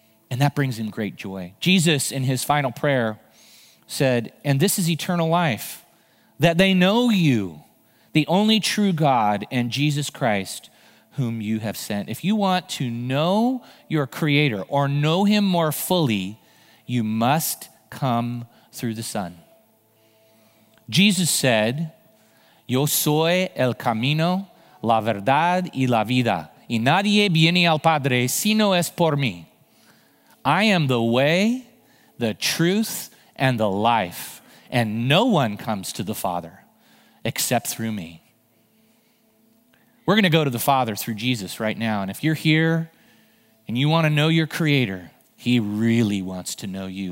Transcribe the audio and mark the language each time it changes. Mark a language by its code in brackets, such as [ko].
[en] And that brings him great joy. Jesus, in his final prayer, said, and this is eternal life, that they know you, the only true God, and Jesus Christ, whom you have sent. If you want to know your creator or know him more fully, you must come through the Son. Jesus said, [es] yo soy el camino, la verdad y la vida, y nadie viene al Padre si no es por mí. [en] I am the way, the truth, and the life, and no one comes to the Father except through me. We're gonna go to the Father through Jesus right now, and if you're here and you wanna know your Creator, he really wants to know you.